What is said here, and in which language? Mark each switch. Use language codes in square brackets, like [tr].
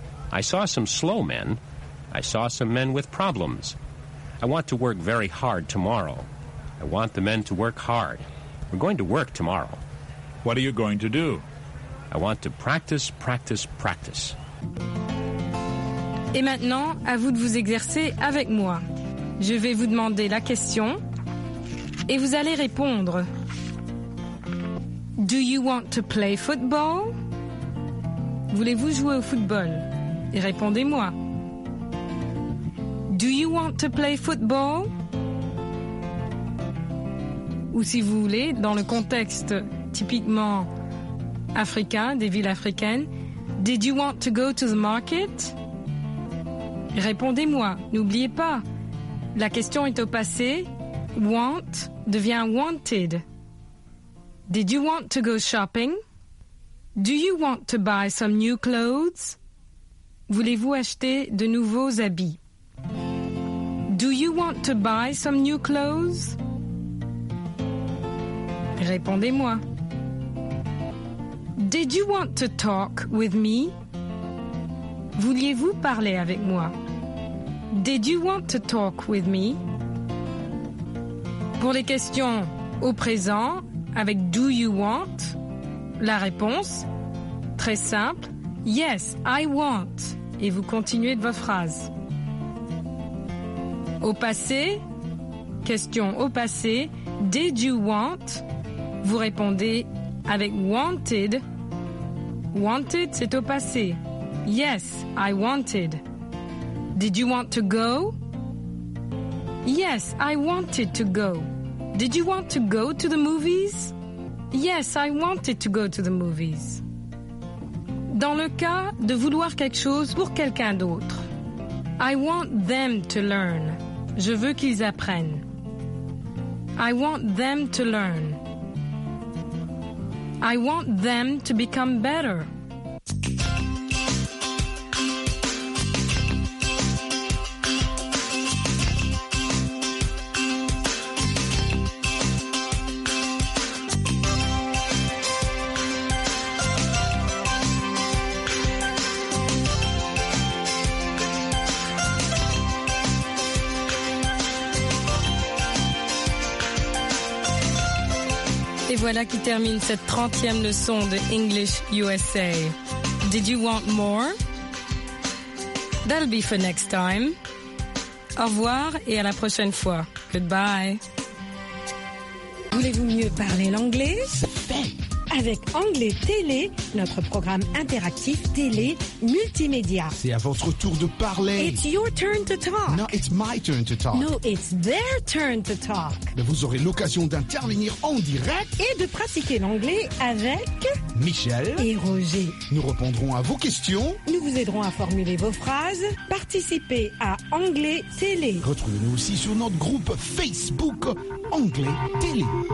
[en] I saw some slow men. I saw some men with problems. I want to work very hard tomorrow. I want the men to work hard. We're going to work tomorrow. What are you going to do? I want to practice, practice, practice. [fr] Et maintenant, à vous de vous exercer avec moi. Je vais vous demander la question et vous allez répondre. [en] Do you want to play football? [fr] Voulez-vous jouer au football? Et répondez-moi. [en] Do you want to play football? [fr] Ou si vous voulez, dans le contexte typiquement africain, des villes africaines, [en] did you want to go to the market? [fr] Répondez-moi, n'oubliez pas. La question est au passé. Want devient wanted. [en] Did you want to go shopping? Do you want to buy some new clothes? [fr] Voulez-vous acheter de nouveaux habits? [en] Do you want to buy some new clothes? [fr] Répondez-moi. [en] Did you want to talk with me? [fr] Vouliez-vous parler avec moi? [en] Did you want to talk with me? [fr] Pour les questions au présent, avec « [en] Do you want ?», [fr] la réponse, très simple, « [en] Yes, I want. [fr] » Et vous continuez de votre phrase. Au passé, question au passé, « [en] Did you want ?» [fr] Vous répondez avec « Wanted. » « Wanted », c'est au passé. [en] « Yes, I wanted. » « Did you want to go ?»« Yes, I wanted to go. » Did you want to go to the movies? Yes, I wanted to go to the movies. [fr] Dans le cas de vouloir quelque chose pour quelqu'un d'autre. [en] I want them to learn. [fr] Je veux qu'ils apprennent. [en] I want them to learn. I want them to become better. [fr] Voilà qui termine cette 30e leçon de English USA. [en] Did you want more? That'll be for next time. [fr] Au revoir et à la prochaine fois. [en] Goodbye. [fr] Voulez-vous mieux parler l'anglais? Avec Anglais Télé, notre programme interactif télé multimédia. C'est à votre tour de parler. [en] It's your turn to talk. No, it's my turn to talk. No, it's their turn to talk. [fr] Mais vous aurez l'occasion d'intervenir en direct. Et de pratiquer l'anglais avec... Michel. Et Roger. Nous répondrons à vos questions. Nous vous aiderons à formuler vos phrases. Participez à Anglais Télé. Retrouvez-nous aussi sur notre groupe Facebook Anglais Télé.